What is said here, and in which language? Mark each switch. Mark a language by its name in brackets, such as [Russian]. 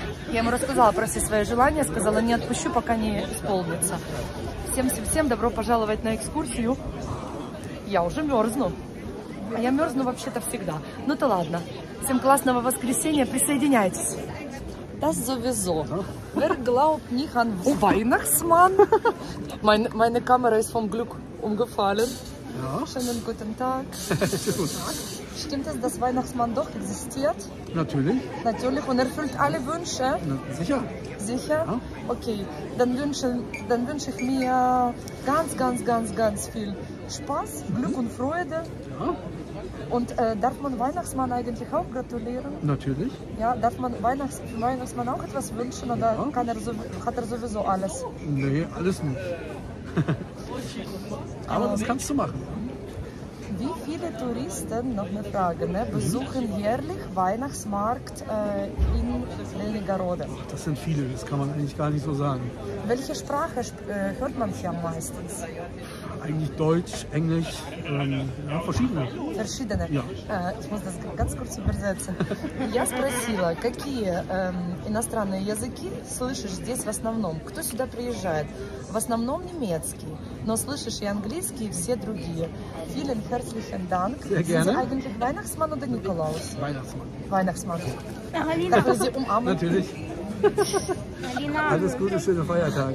[Russian] Я ему рассказала про все свои желания, сказала, не отпущу, пока не исполнится. Всем-всем-всем добро пожаловать на экскурсию. Я уже мерзну. А я мерзну вообще-то всегда. Ну то ладно. Всем классного воскресенья, присоединяйтесь. [German] Das sowieso. Wer glaubt nicht an Weihnachtsmann? Meine Kamera ist vom Glück umgefallen. Ja. Schönen guten Tag. Guten Tag. Stimmt es, dass Weihnachtsmann doch existiert? Natürlich. Natürlich. Und erfüllt alle Wünsche? Na, sicher. Sicher? Ja. Okay. Dann wünsch ich mir ganz, ganz, ganz, ganz viel Spaß, Glück und Freude. Ja. Und darf man Weihnachtsmann eigentlich auch gratulieren? Natürlich. Ja, darf man Weihnachtsmann auch etwas wünschen oder ja. Hat er sowieso alles? Nee, alles nicht. Aber das kannst du machen. Wie viele Touristen, noch eine Frage, ne, besuchen jährlich Weihnachtsmarkt in Wernigerode? Das sind viele, das kann man eigentlich gar nicht so sagen. Welche Sprache hört man hier meistens? Eigentlich Deutsch, Englisch, ja, verschiedene. Verschiedene? Ja. Ich muss das ganz kurz übersetzen. [Russian] Я спросила, какие иностранные языки слышишь здесь в основном? Кто сюда приезжает? В основном немецкий, но слышишь и английский, и все другие. [German] Vielen herzlichen Dank. Sehr gerne. Sind Sie eigentlich Weihnachtsmann oder Nikolaus? Weihnachtsmann. Darf ich Sie umarmen? Natürlich. Alles Gute, schöne Feiertage.